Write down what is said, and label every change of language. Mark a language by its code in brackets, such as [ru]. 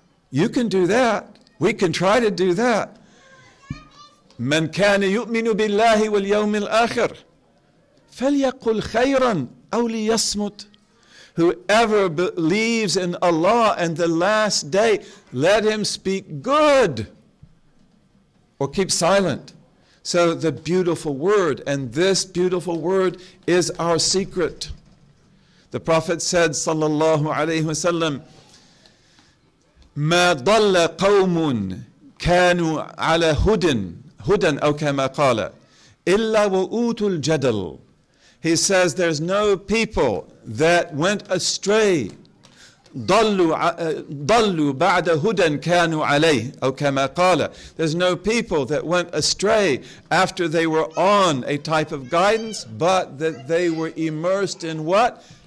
[en] You can do that. We can try to do that. [ar] مَنْ كَانَ يُؤْمِنُ بِاللَّهِ وَالْيَوْمِ الْآخِرِ فَلْيَقُلْ خَيْرًا أَوْ لِيَصْمُتْ. [en] Whoever believes in Allah and the last day, let him speak good or keep silent. So the beautiful word, and this beautiful word is our secret. The Prophet said, sallallahu alayhi wa sallam, [ar] مَا ضَلَّ قَوْمٌ كَانُوا عَلَى هُدٍ هُدًا أَوْ كَمَا قَالَ إِلَّا وَأُوتُ الْجَدَلُ. [en] He says there's no people that went astray. [ar] ضَلُّوا بَعْدَ هُدًا كَانُوا عَلَيْهِ أَوْ كَمَا قَالَ. [en] There's no people that went astray after they were on a type of guidance, but that they were immersed in what?